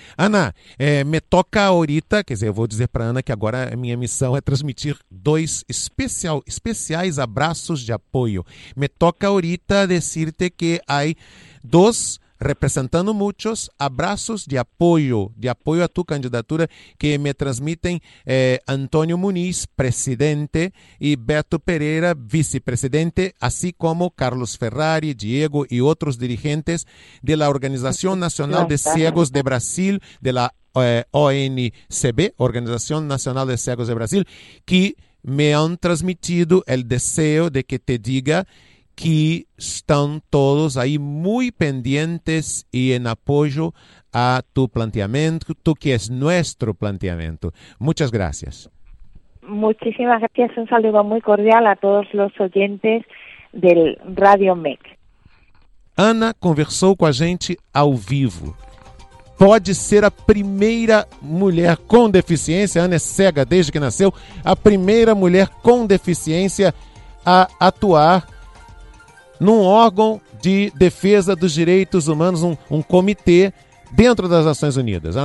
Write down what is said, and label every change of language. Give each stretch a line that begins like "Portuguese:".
Spanish: Ana, me toca ahorita,
Portuguese: quer dizer, eu vou dizer para Ana que agora a minha missão é transmitir 2 especiais abraços de apoio.
Spanish: Me toca ahorita decirte que hay 2 representando muchos abrazos de apoio a tu candidatura que me transmiten Antonio Muniz, presidente, y Beto Pereira, vicepresidente, así como Carlos Ferrari, Diego y otros dirigentes de la Organización Nacional de Ciegos de Brasil, de la ONCB, Organización Nacional de Ciegos de Brasil, que me han transmitido el deseo de que te diga que están todos ahí muy pendientes y en apoyo a tu planteamiento, tú que es nuestro planteamiento. Muchas gracias. Muchísimas gracias. Un saludo muy cordial a todos los oyentes del Radio MEC.
Portuguese: Ana conversou com a gente ao vivo. Pode ser a primeira mulher com deficiência, Ana é cega desde que nasceu, a primeira mulher com deficiência a atuar num órgão de defesa dos direitos humanos, um comitê dentro das Nações Unidas.